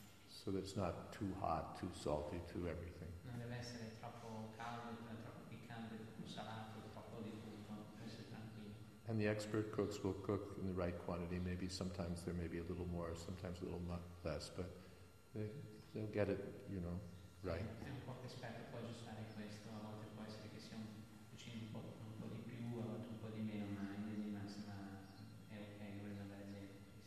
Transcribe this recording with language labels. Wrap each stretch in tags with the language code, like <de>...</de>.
<en>So that it's not too hot, too salty, too everything.</en> <it>Non deve essere troppo caldo, troppo piccante, troppo salato, troppo di tutto, deve essere tranquillo.</it> <en>And the expert cooks will cook in the right quantity, maybe sometimes there may be a little more, sometimes a little less, but they'll get it, you know, right.</en> <it>Se un cuoco esperto può aggiustare questo, a volte può essere che sia un cucino un po' di più, a volte un po' di meno, ma in linea di massima è ok, vuole andare bene.</it>